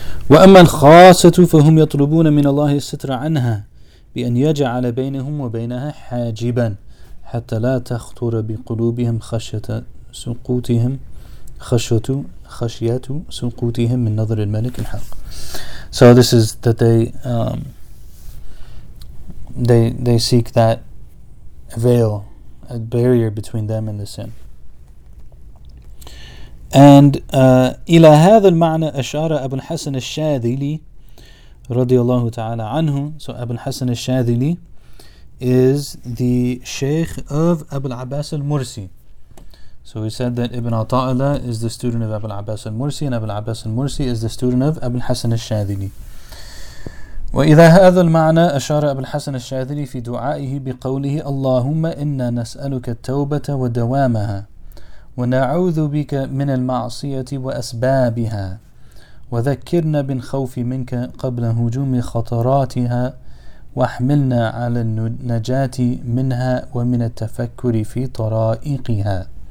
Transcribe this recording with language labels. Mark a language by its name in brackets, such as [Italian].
[Arabic] وَأَمَّا الْخَاسَةُ فَهُمْ يَطْلُبُونَ مِنَ اللَّهِ السِّتْرَ عَنْهَا بِأَنْ يَجْعَلَ بَيْنَهُمْ وَبَيْنَهَا حَاجِبًا حَتَّى لَا تَخْطُرَ بِقُلُوبِهِمْ خَشْيَةُ سُقُوتِهِمْ مِنْ نَظْرِ الْمَلِكِ الْحَقِّ. [English] So this is that they seek that veil, a barrier between them and the sin. [Arabic] And إلى هذا المعنى أشار أبن حسن الشاذلي رضي الله تعالى عنه. [English] So Ibn Hasan al-Shadhili is the Shaykh of Abu al-Abbas al-Mursi. So we said that Ibn Ataillah is the student of Abu al-Abbas al-Mursi, and Abu al-Abbas al-Mursi is the student of Ibn Hasan al-Shadhili. [Arabic] وإذا هذا المعنى أشار ابن حسن الشاذلي في دعائه بقوله اللهم إنا نسألك التوبة ودوامها ونعوذ بك من المعصية وأسبابها وذكرنا بالخوف منك قبل هجوم خطراتها واحملنا على النجاة منها ومن التفكر في طرائقها.